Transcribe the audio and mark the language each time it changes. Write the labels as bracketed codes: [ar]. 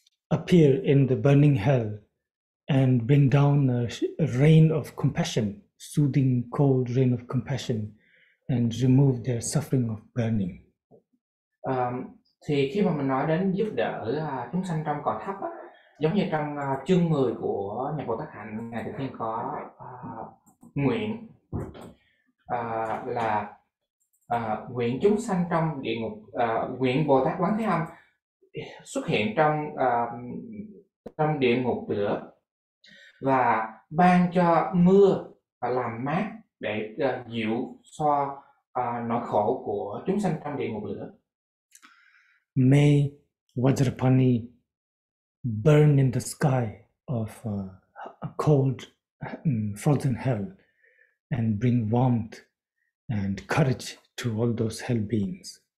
[en] appear in the burning hell and bring down a rain of compassion, soothing cold rain of compassion, and remove their suffering of burning. [vi] Thì khi mà mình nói đến giúp đỡ chúng sanh trong cõi thấp á, giống như trong chương 10 của Nhật Bồ Tát Hạnh, Ngài Thượng Thiên có nguyện là nguyện chúng sanh trong địa ngục, nguyện Bồ Tát Quán Thế Âm xuất hiện trong trong địa ngục lửa và ban cho mưa và làm mát để dịu xoa nỗi khổ của chúng sanh trong địa ngục lửa. [en] May Vajrapani burn in the sky of a cold frozen hell and bring warmth and courage to all those hell beings.